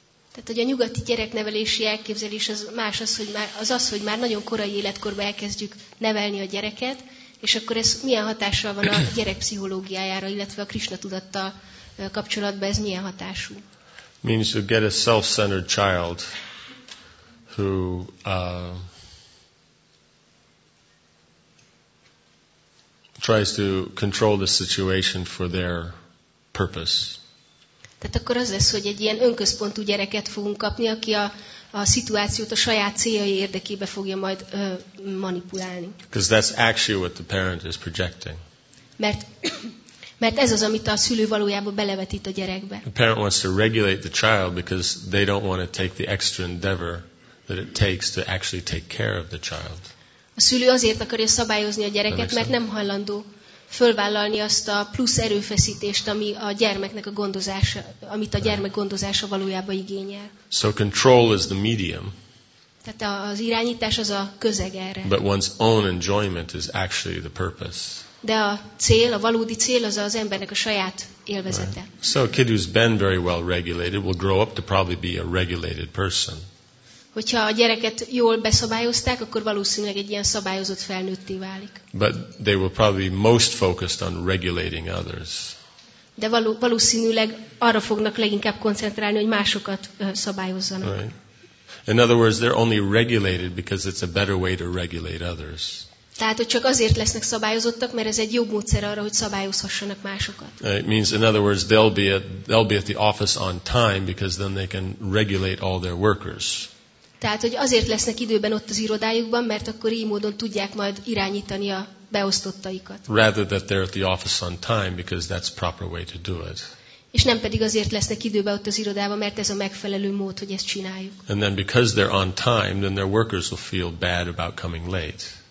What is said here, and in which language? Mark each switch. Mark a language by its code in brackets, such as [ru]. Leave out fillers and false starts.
[hu] Tehát, hogy a nyugati gyereknevelési elképzelés az más az, hogy már, az, hogy nagyon korai életkorban elkezdjük nevelni a gyereket, és akkor ez milyen hatással van a gyerek pszichológiájára, illetve a Krisna tudattal kapcsolatban ez milyen hatású? [en] Means you get a self-centered child who tries to control the situation for their purpose. [hu] Tehát akkor az lesz, hogy egy ilyen önközpontú gyereket fogunk kapni, aki a szituációt a saját céljai érdekébe fogja majd manipulálni. [en] Because that's actually what the parent is projecting. [hu] Mert ez az, amit a szülő valójában belevetít a gyerekbe. [en] The parent wants to regulate the child because they don't want to take the extra endeavor that it takes to actually take care of the child. [hu] A szülő azért akarja szabályozni a gyereket, mert nem hajlandó fölvállalni azt a plusz erőfeszítést, ami a gyermeknek a gondozása, amit a gyermek gondozása valójában igényel. [en] So control is the medium. [hu] Tehát az irányítás az a közeg erre. [en] But one's own enjoyment is actually the purpose. [hu] De a cél, a valódi cél az az embernek a saját élvezete. [en] Right. So a kid who's been very well regulated will grow up to probably be a regulated person. [hu] Hogyha a gyereket jól beszabályozták, akkor valószínűleg egy ilyen szabályozott felnőtté válik. [en] But they will probably be most focused on regulating others. [hu] De valószínűleg arra fognak leginkább koncentrálni, hogy másokat szabályozzanak. [en] Right. In other words, they're only regulated because it's a better way to regulate others. [hu] Tehát, hogy csak azért lesznek szabályozottak, mert ez egy jobb módszer arra, hogy szabályozhassanak másokat. [en] It means, in other words, they'll be at the office on time because then they can regulate all their workers. [hu] Tehát, hogy azért lesznek időben ott az irodájukban, mert akkor így módon tudják majd irányítani a beosztottaikat. [en] Rather that they're at the office on time because that's proper way to do it. [hu] És nem pedig azért lesznek időben ott az irodában, mert ez a megfelelő mód, hogy ezt csináljuk. [en] And then because they're on time, then their workers will feel bad about coming late.